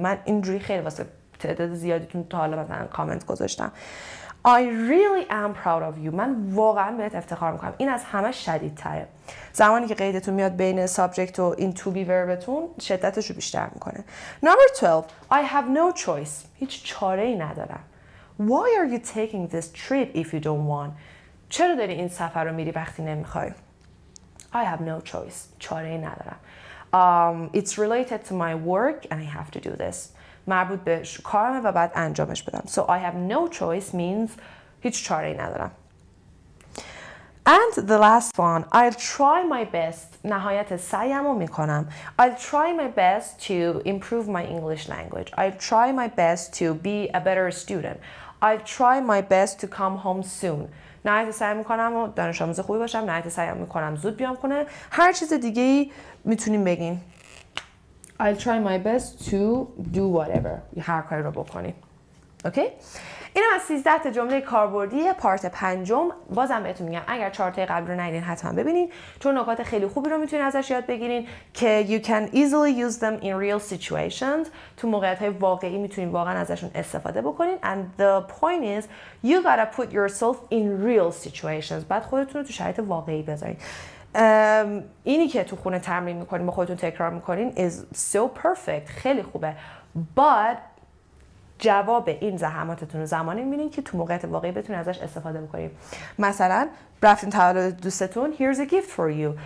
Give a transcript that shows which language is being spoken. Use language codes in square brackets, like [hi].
[fa] من اینجوری خیلی واسه تعداد زیادیتون تا حالا مثلا کامنت گذاشتم [en] I really am proud of you. [fa] من واقعا بهت افتخار میکنم. این از همه شدیدتره. زمانی که قیدتون میاد بین سابجکت و این to be verbتون، شدتشو بیشتر میکنه. [en] Number 12. I have no choice. [fa] هیچ چاره ای ندارم. [en] Why are you taking this trip if you don't want? [fa] چرا داری این سفر رو میری وقتی نمیخوای؟ [en] I have no choice. [fa] چاره ندارم. [en] It's related to my work and I have to do this. [fa] مربوط به کارمه و بعد انجامش بدم. [en] So I have no choice means [fa] هیچ چاره ندارم. [en] And the last one. I'll try my best. [fa] نهایت سعیمو میکنم. [en] I'll try my best to improve my English language. I'll try my best to be a better student. I'll try my best to come home soon. [fa] نهایت سعی میکنم و دانش آموز خوبی باشم. نهایت سعی میکنم زود بیام خونه. هر چیز دیگه ای میتونیم بگین. [en] I'll try my best to do whatever. [fa] هر کاری رو بکنیم. اوکی؟ این هم از 13 تا جمله کاربردی پارت پنجم. بازم بهتون میگم اگر 4 تا قبل رو ندیدین حتما ببینین، چون نکات خیلی خوبی رو میتونین ازش یاد بگیرین که [en] you can easily use them in real situations. [fa] تو موقعیت های واقعی میتونین واقعا ازشون استفاده بکنین. [en] And the point is you gotta put yourself in real situations. [fa] بعد خودتون رو تو شرایط واقعی بذارین. اینی که تو خونه تمرین میکنین با خودتون تکرار میکنین [en] is so perfect. [fa] خیلی خوبه. But جواب این زحماتتون رو زمانی می‌بینین که تو موقعیت واقعی بتونین ازش استفاده بکنین. مثلا رفتین تولد دوستتون، [en] here's a gift for you.